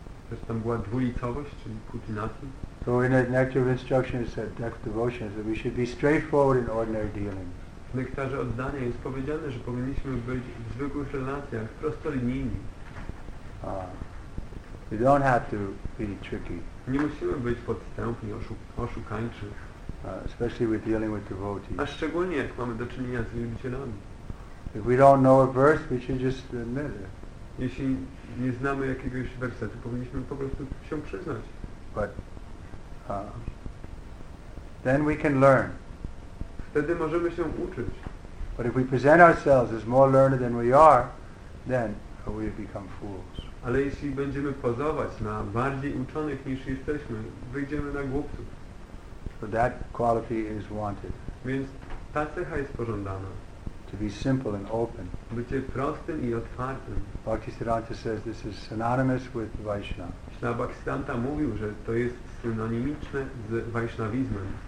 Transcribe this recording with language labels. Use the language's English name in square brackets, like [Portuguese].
[Polish] Czy tam była dwulicowość, czyli kutinati? [English] So in the nectar of instruction is that nectar of devotion is that we should be straightforward in ordinary dealings. [Polish] W nektarze oddania jest powiedziane, że powinniśmy być w zwykłych relacjach, prostolinijni. [English] We don't have to be tricky. [Polish] Nie musimy być podstępni, oszukańczy. [English] Especially with dealing with devotees. [Polish] A szczególnie jak mamy do czynienia z wielbicielami. [English] If we don't know a verse, we should just admit it. [Polish] Jeśli nie znamy jakiegoś wersetu, powinniśmy po prostu się przyznać. [English] But then we can learn. [Polish] Wtedy możemy się uczyć. [English] But if we present ourselves as more learned than we are, then we become fools. [Polish] Ale jeśli będziemy pozować na bardziej uczonych niż jesteśmy, wyjdziemy na głupców. [English] So that quality is wanted. [Polish] Więc ta cecha jest pożądana. [English] To be simple and open. [Polish] Bycie prostym i otwartym. [English] Bhaktisiddhanta says this is synonymous with Vaishnava. [Polish] Śla Bhaktisiddhanta mówił, że to jest synonimiczne z Vaishnavizmem.